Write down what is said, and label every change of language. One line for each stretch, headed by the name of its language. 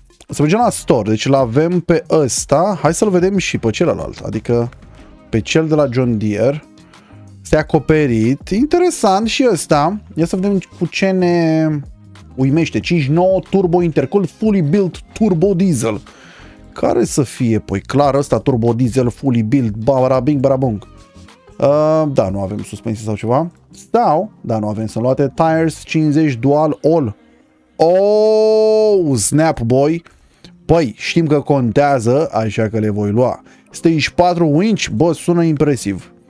Romanian: Să mergem la store, deci l-avem pe ăsta. Hai să-l vedem și pe celălalt, adică pe cel de la John Deere. Este acoperit. Interesant și ăsta. Ia să vedem cu ce ne uimește.
English: 5.9 turbo intercooled fully built turbo diesel.
Romanian: Care să fie? Păi clar ăsta turbo diesel
English: fully built. Barabing, barabung.
Romanian: Da, nu avem suspensie sau ceva. Sau, da, nu avem să-mi luate.
English: Tires 50 dual all. Oh, snap boy.
Romanian: Păi, știm că contează, așa că le voi lua. Stage 4 winch, bă, sună impresiv.